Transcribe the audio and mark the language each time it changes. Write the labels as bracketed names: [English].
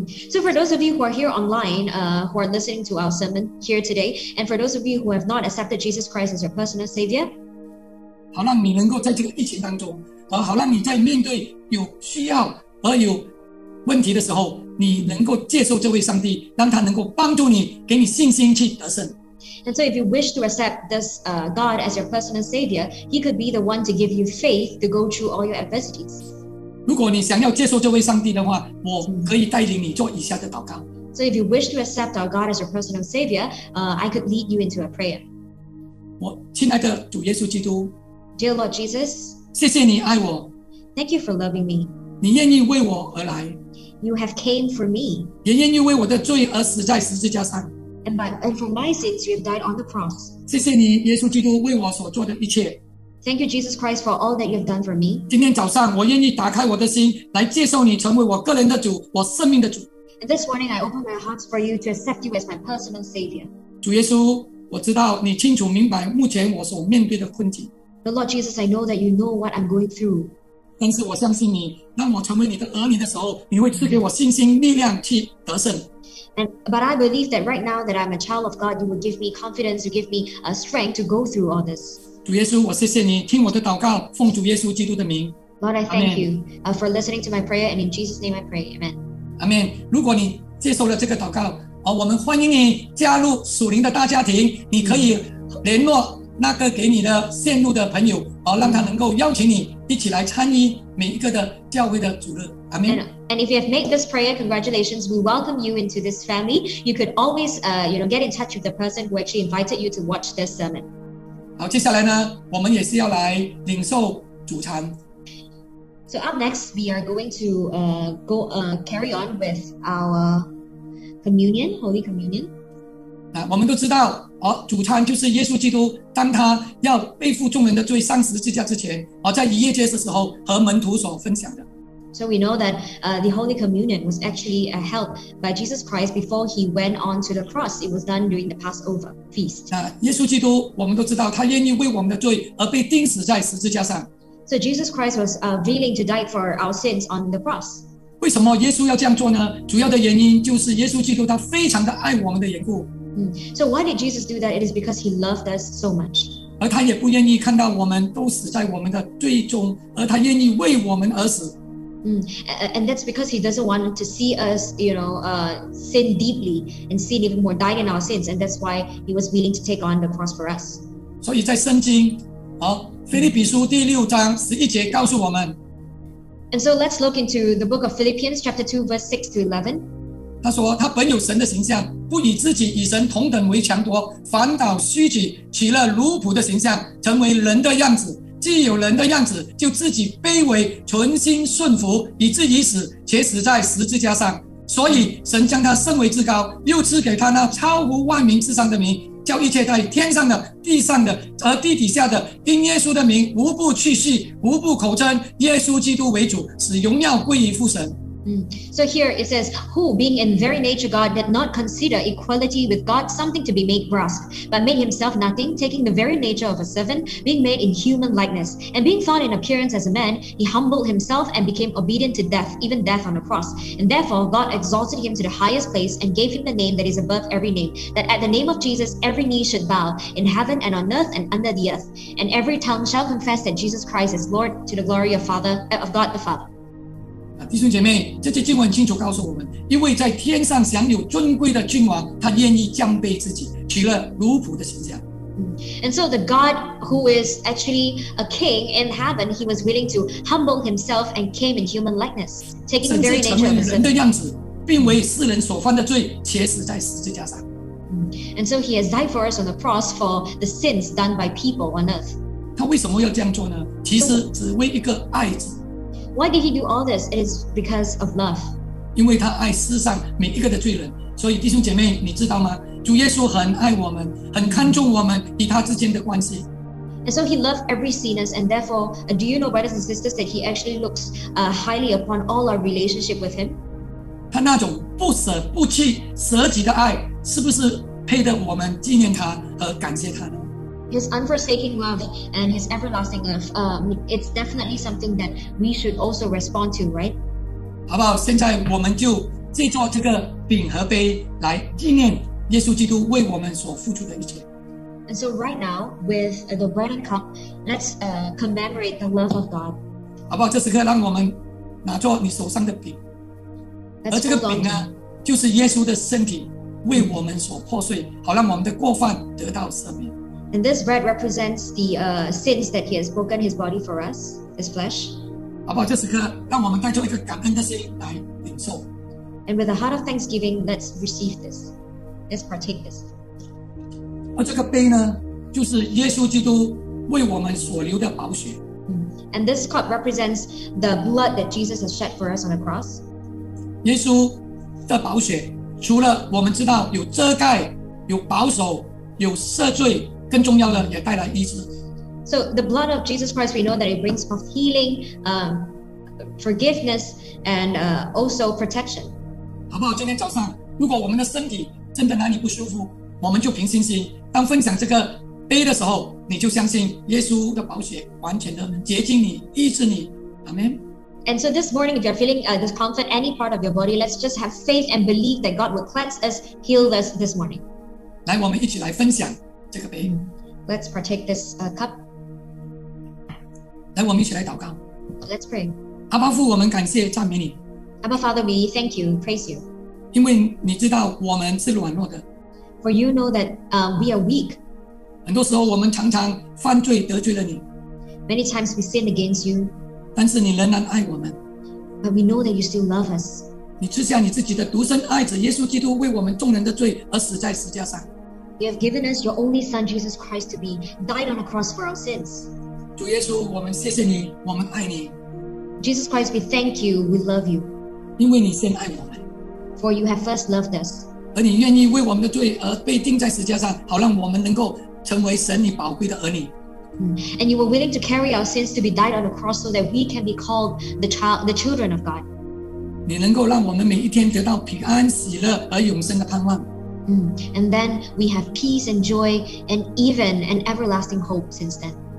[English] So for those of you who are here online, who are listening to our sermon here today, and for those of you who have not accepted Jesus Christ as your personal savior, [Chinese] 好让你能够在这个疫情当中，而好让你在面对有需要而有问题的时候，你能够接受这位上帝，让他能够帮助你，给你信心去得胜。 [English] And so if you wish to accept this God as your personal savior, he could be the one to give you faith to go through all your adversities. [Chinese] 如果你想要接受这位上帝的话，我可以带领你做以下的祷告。 [English] So if you wish to accept our God as your personal savior, I could lead you into a prayer. [Chinese] 我亲爱的主耶稣基督， [English] Dear Lord Jesus, [Chinese] 谢谢你爱我。 [English] Thank you for loving me. [Chinese] 你愿意为我而来， [English] You have came for me. [Chinese] 也愿意为我的罪而死在十字架上。 [English] And for my sins, you have died on the cross. [Chinese] 谢谢你，耶稣基督为我所做的一切。 [English] Thank you, Jesus Christ, for all that you have done for me. [Chinese] 今天早上，我愿意打开我的心，来接受你成为我个人的主，我生命的主。 [English] And this morning, I open my heart for you to accept you as my personal savior. [Chinese] 主耶稣，我知道你清楚明白目前我所面对的困境。 [English] The Lord Jesus, I know that you know what I'm going through. [Chinese] 但是我相信你，当我成为你的儿女的时候，你会赐给我信心、力量去得胜。 [English] But I believe that right now that I'm a child of God, you will give me confidence, you give me a strength to go through all this. [Chinese] 主耶稣，我谢谢你听我的祷告，奉主耶稣基督的名。 [English] Lord, I thank you for listening to my prayer, and in Jesus' name I pray. Amen. Amen. [Chinese] 如果你接受了这个祷告，我们欢迎你加入属灵的大家庭。你可以联络那个给你的线路的朋友，让他能够邀请你一起来参与每一个的教会的主日。 [English] Amen. And if you have made this prayer, congratulations, we welcome you into this family. You could always get in touch with the person who actually invited you to watch this sermon. [Chinese] 好，接下来呢，我们也是要来领受主餐。 [English] So up next, we are going to carry on with our communion, Holy Communion. [Chinese] 我们都知道，主餐就是耶稣基督，当他要背负众人的罪上十字架之前，在逾越节的时候和门徒所分享的。 [English] So we know that the Holy Communion was actually held by Jesus Christ before he went on to the cross. It was done during the Passover feast. [Chinese] 耶稣基督，我们都知道，他愿意为我们的罪而被钉死在十字架上。 [English] So Jesus Christ was willing to die for our sins on the cross. [Chinese] 为什么耶稣要这样做呢？主要的原因就是耶稣基督他非常的爱我们的缘故。 [English] So why did Jesus do that? It is because he loved us so much. [Chinese] 而他也不愿意看到我们都死在我们的罪中，而他愿意为我们而死。 [English] And that's because he doesn't want to see us, sin deeply and sin even more, die in our sins. And that's why he was willing to take on the cross for us. [Chinese] 所以在圣经，腓立比书第六章十一节告诉我们。 [English] And so let's look into the book of Philippians, chapter 2, verse 6 to 11. [Chinese] 他说他本有神的形象，不以自己与神同等为强夺，反倒虚己，取了奴仆的形象，成为人的样子。既有人的样子，就自己卑微，存心顺服，以至于死，且死在十字架上。所以神将他升为至高，又赐给他那超乎万民之上的名，叫一切在天上的、地上的和地底下的，因耶稣的名，无不屈膝，无不口称耶稣基督为主，使荣耀归于父神。 [English] So here it says, who being in very nature God did not consider equality with God something to be made grasped, but made himself nothing, taking the very nature of a servant, being made in human likeness, and being found in appearance as a man, he humbled himself and became obedient to death, even death on a cross. And therefore God exalted him to the highest place and gave him the name that is above every name, that at the name of Jesus every knee should bow, in heaven and on earth and under the earth, and every tongue shall confess that Jesus Christ is Lord, to the glory of God the Father. [Chinese] 弟兄姐妹，这些经文清楚告诉我们，一位在天上享有尊贵的君王，他愿意降卑自己，取了奴仆的形象。 [English] And so the God who is actually a king in heaven, he was willing to humble himself and came in human likeness, taking the very nature of a servant. [Chinese] 甚至成为人的样子，并为世人所犯的罪，且死在十字架上。 [English] And so he has died for us on the cross for the sins done by people on earth. [Chinese] 他为什么要这样做呢？其实只为一个爱字。 [English] Why did he do all this? It's because of love. [Chinese] 因为他爱世上每一个的罪人，所以弟兄姐妹，你知道吗？主耶稣很爱我们，很看重我们与他之间的关系。 [English] And so he loved every sinner, and therefore, do you know, brothers and sisters, that he actually looks highly upon all our relationship with him? [Chinese] 他那种不舍不弃舍己的爱，是不是配得我们纪念他和感谢他呢？ [English] His unforsaking love and his everlasting love, it's definitely something that we should also respond to, right? [Chinese] 好不好？现在我们就借着这个饼和杯来纪念耶稣基督为我们所付出的一切。 [English] And so right now, with the bread and cup, let's commemorate the love of God. [Chinese] 好不好？这时刻让我们拿着你手上的饼，而这个饼呢，就是耶稣的身体为我们所破碎，好让我们的过犯得到赦免。 [English] And this bread represents the sins that he has broken his body for us, his flesh. [Chinese] 好不好？这时刻让我们带着一个感恩的心来领受。 [English] And with a heart of thanksgiving, let's receive this. Let's partake this. [Chinese] 而这个杯呢，就是耶稣基督为我们所流的宝血。 [English] And this cup represents the blood that Jesus has shed for us on the cross. [Chinese] 耶稣的宝血，除了我们知道有遮盖、有保守、有赦罪。更重要的也带来医治。 [English] So the blood of Jesus Christ, we know that it brings forth healing, forgiveness, and also protection. [Chinese] 好不好？今天早上，如果我们的身体真的哪里不舒服，我们就凭信心，当分享这个杯的时候，你就相信耶稣的宝血完全的洁净你、医治你。 [English] Amen. And so this morning, if you're feeling discomfort any part of your body, let's just have faith and believe that God will cleanse us, heal us this morning. [Chinese] 来，我们一起来分享。这个杯 [English] Let's partake this cup. [Chinese] 来，我们一起来祷告。 [English] Let's pray. [Chinese] 阿爸父，我们感谢赞美你。 [English] Abba Father, we thank you, praise you. [Chinese] 因为你知道我们是软弱的。 [English] For you know that we are weak. [Chinese] 很多时候我们常常犯罪得罪了你。 [English] Many times we sin against you. [Chinese] 但是你仍然爱我们。 [English] But we know that you still love us. [Chinese] 你赐下你自己的独生爱子耶稣基督为我们众人的罪而死在十字架上。 [English] You have given us your only Son, Jesus Christ, to be died on a cross for our sins. [Chinese] 主耶稣，我们谢谢你，我们爱你。 [English] Jesus Christ, we thank you, we love you. [Chinese] 因为你先爱我们。 [English] For you have first loved us. [Chinese] 而你愿意为我们的罪而被钉在十字架上，好让我们能够成为神你宝贵的儿女。 [English] And you were willing to carry our sins to be died on a cross so that we can be called the children of God. [Chinese] 你能够让我们每一天得到平安、喜乐而永生的盼望。 [English] And then we have peace and joy and even an everlasting hope since then.